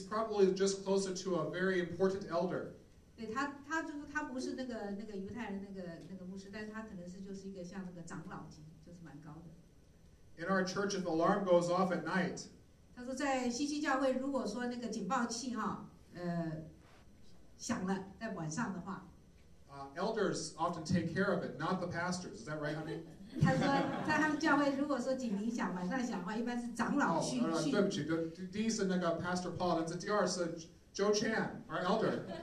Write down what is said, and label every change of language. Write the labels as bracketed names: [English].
[English] probably just closer to a very important elder. [Chinese] 对他就是他不是那个犹太人那个牧师，但是他可能是就是一个像那个长老级，就是蛮高的。In [English] our church, if alarm goes off at night. [Chinese] 他说在西西教会，如果说那个警报器哈，响了，在晚上的话, [English] elders often take care of it, not the pastors. Is that right, honey? [Chinese] 他说在他们教会，如果说警铃响，晚上响的话，一般是长老去。对不起，第一次那个 Pastor Paul, 那是第二次 Joe Chan, [English] our elder.